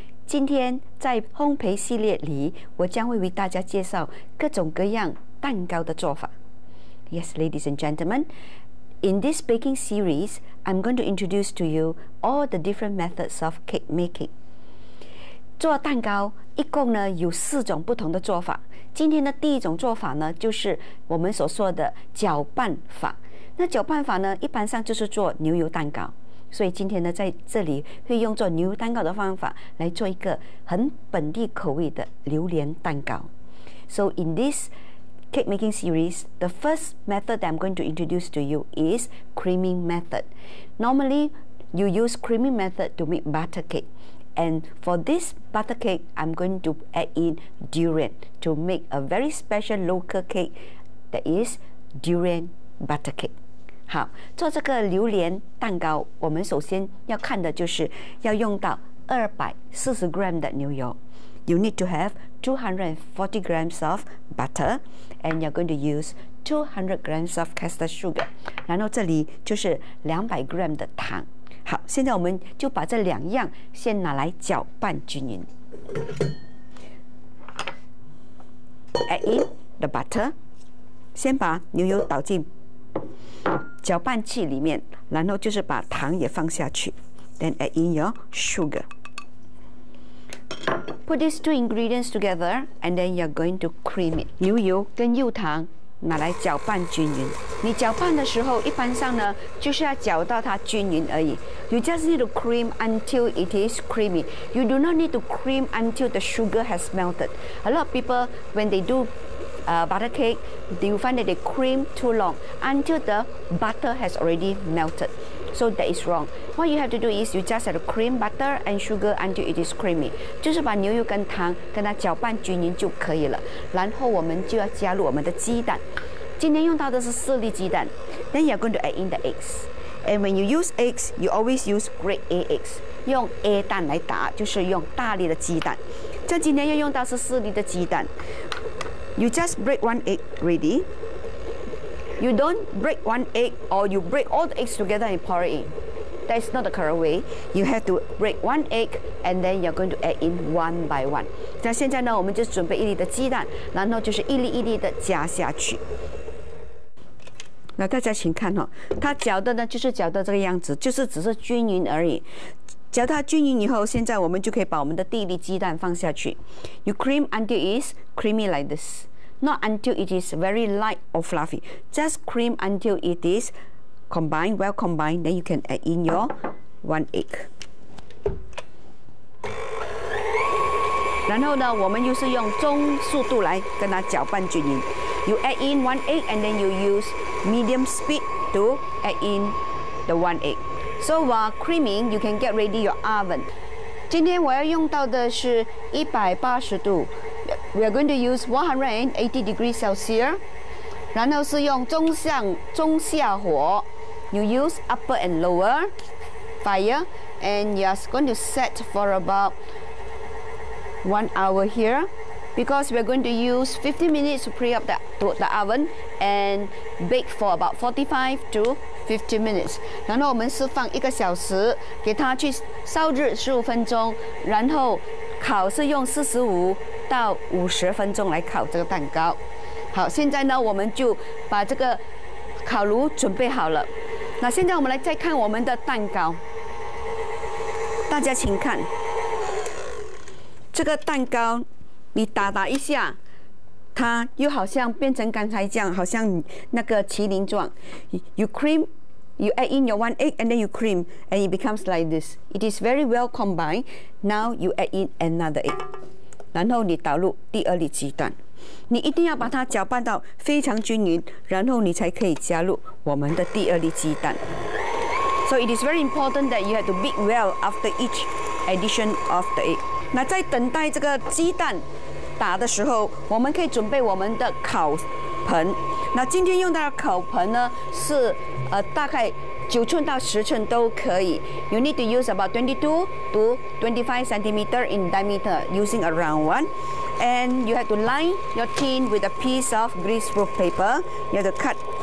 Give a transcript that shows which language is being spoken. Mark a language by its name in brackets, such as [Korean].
[Chinese] 今天在烘焙系列里，我将会为大家介绍各种各样蛋糕的做法。 [English] Yes, ladies and gentlemen, in this baking series, I'm going to introduce to you all the different methods of cake making. [Chinese] 做蛋糕一共呢有四种不同的做法。今天的第一种做法呢，就是我们所说的搅拌法。那搅拌法呢，一般上就是做牛油蛋糕，所以今天呢，在这里会用做牛油蛋糕的方法来做一个很本地口味的榴莲蛋糕。 [English] So in this cake making series, the first method that I'm going to introduce to you is creaming method. Normally, you use creaming method to make butter cake, and for this butter cake, I'm going to add in durian to make a very special local cake that is durian butter cake. [Chinese] 好，做这个榴莲蛋糕，我们首先要看的就是要用到240 g 的牛油。 [English] You need to have 240 g of butter, and you're going to use 200 g of caster sugar. [Chinese] 然后这里就是200 g 的糖。好，现在我们就把这两样先拿来搅拌均匀。 [English] Add in the butter. [Chinese] 先把牛油倒进搅拌器里面，然后就是把糖也放下去。 [English] Then add in your sugar. Put these two ingredients together, and then you're going to cream it. [Chinese] 牛油跟柚糖拿来搅拌均匀。你搅拌的时候，一般上呢就是要搅到它均匀而已。 [English] You just need to cream until it is creamy. You do not need to cream until the sugar has melted. A lot of people when they do butter cake, do you find that they cream too long until the butter has already melted? So that is wrong. What you have to do is you just have to cream butter and sugar until it is creamy. [Chinese] 就是把牛油跟糖跟它搅拌均匀就可以了。然后我们就要加入我们的鸡蛋。今天用到的是四粒鸡蛋。 [English] Then you are going to add in the eggs. And when you use eggs, you always use grade A eggs. [Chinese] 用 A 蛋来打，就是用大粒的鸡蛋。这今天要用到是四粒的鸡蛋。 [English] You just break one egg ready. You don't break one egg, or you break all the eggs together and pour it in. That is not the correct way. You have to break one egg, and then you're going to add in one by one. [Chinese] 那现在呢，我们就准备一粒的鸡蛋，然后就是一粒一粒的加下去。那大家请看哦，它搅的呢就是搅到这个样子，就是只是均匀而已。搅它均匀以后，现在我们就可以把我们的第一粒鸡蛋放下去。 [English] You cream until it is creamy like this, not until it is very light or fluffy. Just cream until it is combined, well combined. Then you can add in your one egg. [Chinese] 然后呢，我们又是用中速度来跟它搅拌均匀。 [English] You add in one egg, and then you use medium speed to add in the one egg. So while creaming, you can get ready your oven. [Chinese] 今天我要用到的是 [English] 180 degrees. We are going to use 180 degrees Celsius. [Chinese] 然后是用中下火. [English] You use upper and lower fire, and you are going to set for about 1 hour here, because we are going to use 50 minutes to preheat the oven and bake for about 45 to 50 minutes, [Chinese] 然后我们释放一个小时，给它去烧热15分钟，然后烤是用45到50分钟来烤这个蛋糕。好，现在呢，我们就把这个烤炉准备好了。那现在我们来再看我们的蛋糕，大家请看，这个蛋糕你打一下。它又好像变成刚才这样，好像那个麒麟状。 [English] You cream, you add in your one egg, and then you cream, and it becomes like this. It is very well combined. Now you add in another egg. [Chinese] 然后你倒入第二粒鸡蛋。你一定要把它搅拌到非常均匀，然后你才可以加入我们的第二粒鸡蛋。 [English] So it is very important that you have to beat well after each addition of the egg. [Chinese] 那在等待这个鸡蛋打的时候，我们可以准备我们的烤盆。那今天用到的烤盆呢，是大概9寸到10寸都可以。 [English] You need to use about 22 to 25 centimeter in diameter, using a round one. And you have to line your tin with a piece of greaseproof paper. You have to cut